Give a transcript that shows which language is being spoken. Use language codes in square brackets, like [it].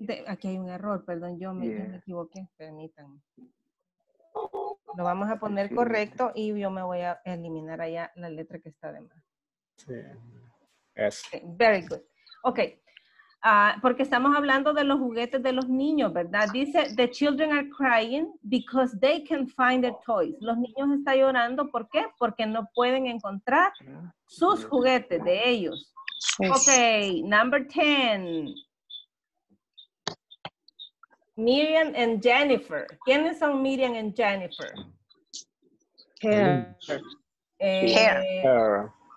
[es] Aquí hay un error, perdón, yo me equivoqué, permítanme. Lo vamos a poner correcto y yo me voy a eliminar allá la letra que está de más. Sí. [en] Yes. Okay, very good. [es] Ok, porque estamos hablando de los juguetes de los niños, ¿verdad? [en] Dice, the children are crying because they can't find their toys. [es] Los niños están llorando, ¿por qué? Porque no pueden encontrar sus juguetes de ellos. [en] Ok, number 10. [es] Miriam and Jennifer. ¿Quiénes son Miriam and Jennifer? [en] Hair.